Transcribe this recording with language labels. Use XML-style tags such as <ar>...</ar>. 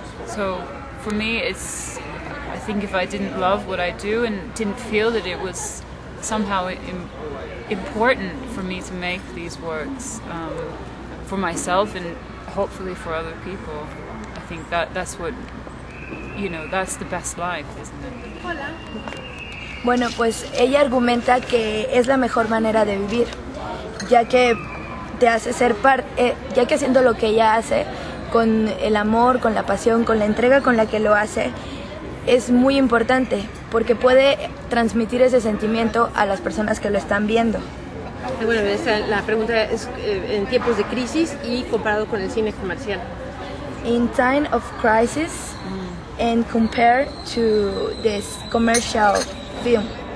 <en>So for me, I think if I didn't love what I do and didn't feel that it was somehow important for me to make these works for myself and hopefully for other people, I think that's what, you know, that's the best life, isn't it?</en> <es>Hola. Bueno, pues ella argumenta que es la mejor manera de vivir, ya que te hace ser parte, ya que haciendo lo que ella hace con el amor, con la pasión, con la entrega con la que lo hace, es muy importante porque puede transmitir ese sentimiento a las personas que lo están viendo. Bueno, la pregunta es en tiempos de crisis y comparado con el cine comercial.</es> <en>In time of crisis and compared to this commercial film.</en>